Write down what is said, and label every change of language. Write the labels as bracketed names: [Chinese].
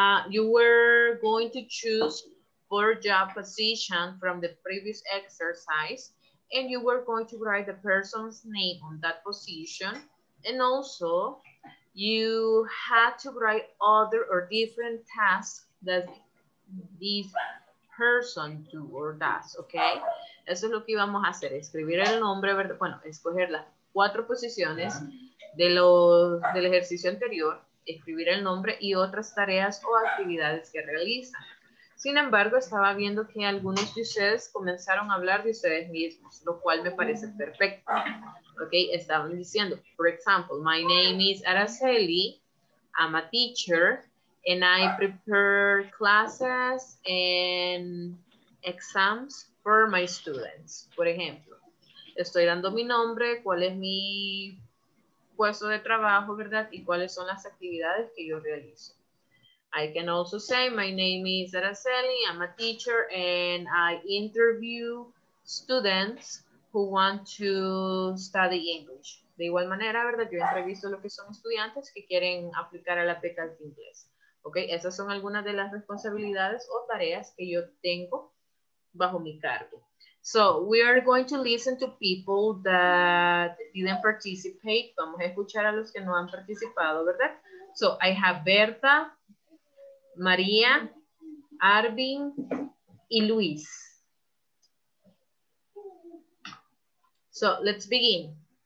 [English] You were going to choose four job positions from the previous exercise, and you were going to write the person's name on that position. And also, you had to write other or different tasks that this person do or does, okay? [Spanish] Eso es lo que íbamos a hacer, escribir el nombre, ¿verdad? Bueno, escoger las cuatro posiciones del ejercicio anterior, escribir el nombre y otras tareas o actividades que realizan. Sin embargo, estaba viendo que algunos de ustedes comenzaron a hablar de ustedes mismos, lo cual me parece perfecto. Ok, estaban diciendo, [English] for example, my name is Araceli, I'm a teacher, and I prepare classes and exams for my students. [Spanish] Por ejemplo, estoy dando mi nombre, cuál es mi puesto de trabajo, ¿verdad? Y cuáles son las actividades que yo realizo. [English] I can also say, my name is Araceli, I'm a teacher, and I interview students who want to study English. [Spanish] De igual manera, ¿verdad? Yo entrevisto a los que son estudiantes que quieren aplicar a las becas de inglés. ¿Ok? Esas son algunas de las responsabilidades o tareas que yo tengo bajo mi cargo. [English] So, we are going to listen to people that didn't participate. [Spanish] Vamos a escuchar a los que no han participado, ¿verdad? [English] So, I have Berta, María, Arvin y Luis. So, let's begin.